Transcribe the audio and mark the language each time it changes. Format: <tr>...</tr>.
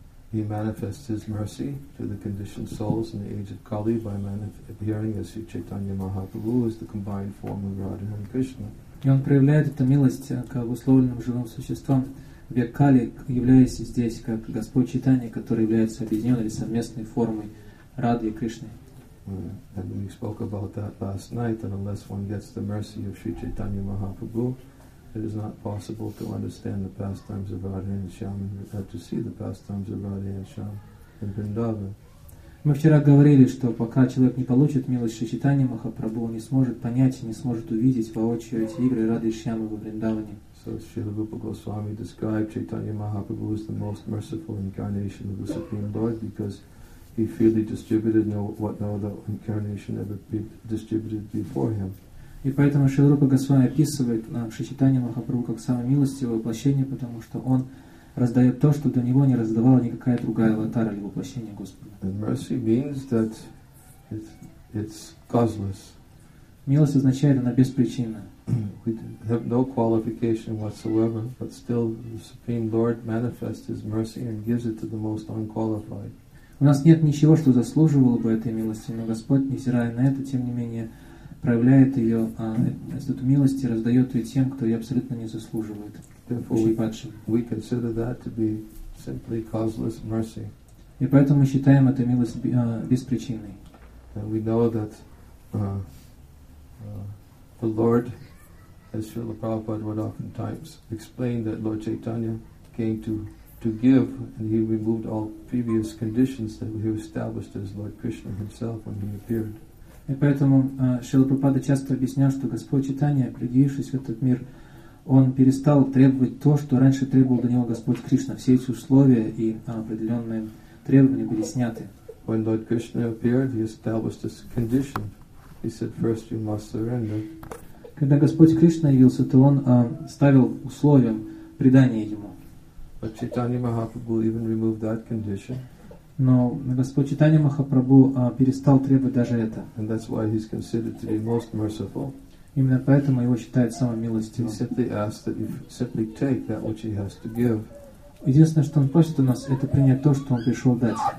<en>He manifests his mercy to the conditioned souls in the age of Kali by appearing as Sri Chaitanya Mahaprabhu, as the combined form of Radha and Krishna.</en> <ru>И он проявляет эту милость к обусловленным живым существам в век Кали, являясь здесь как Господь Чайтанья, который является объединенной или совместной формой Радхи и Кришны.</ru> <en>And we spoke about that last night, that unless one gets the mercy of Sri Chaitanya Mahaprabhu, it is not possible to understand the pastimes of Radha and Shyam, to see the pastimes of Radha and Shyam in Vrindavan.</en> <ru>Мы вчера говорили, что пока человек не получит милость Шри Чайтанья Махапрабху, он не сможет понять и не сможет увидеть воочию эти игры Радхи и Шьямы во Вриндаване.</ru> <en>So Srila Rupa Goswami described Chaitanya Mahaprabhu as the most merciful incarnation of the Supreme Lord because he freely distributed what no other incarnation ever distributed before him.</en> <ru>И поэтому Шрила Рупа Госвами описывает нам Шри Чайтанья Махапрабху как самое милостивое воплощение, потому что он раздает то, что до него не раздавала никакая другая аватара или воплощение Господа.</ru> <en>And mercy means that it's causeless.</en> <ru>Милость означает, она беспричинна.</ru> <en>We have no qualification whatsoever, but still the Supreme Lord manifests his mercy and gives it to the most unqualified.</en> <ru>У нас нет ничего, что заслуживало бы этой милости, но Господь, невзирая на это, тем не менее, проявляет ее, эту милость и раздает ее тем, кто ее абсолютно не заслуживает.</ru> <en>We consider that to be simply causeless mercy.</en> <ru>И поэтому мы считаем эту милость беспричинной.</ru> <en>And we know that the Lord, as Srila Prabhupada would oftentimes explain, that Lord Chaitanya came to give, and he removed all previous conditions that he established as Lord Krishna himself when he appeared.</en> <ru>И поэтому Шрила Прабхупада часто объяснял, что Господь Чайтанья, предъявившись в этот мир, он перестал требовать то, что раньше требовал до него Господь Кришна. Все эти условия и определенные требования были сняты.</ru> <en>When Lord Krishna appeared, he established this condition. He said, first you must surrender.</en> <ru>Когда Господь Кришна явился, то он ставил условием предания ему.</ru> <en>But Chaitanya Mahaprabhu even removed that condition.</en> <ru>Но Господь Чайтанья Махапрабху перестал требовать даже это.</ru> <en>And that's why he's considered to be most merciful.</en> <ru>Именно поэтому его считают самым милостивым.</ru> <en>He simply asks that you simply take that which he has to give.</en> <ru>Единственное, что он просит у нас, это принять то, что он пришел дать.</ru>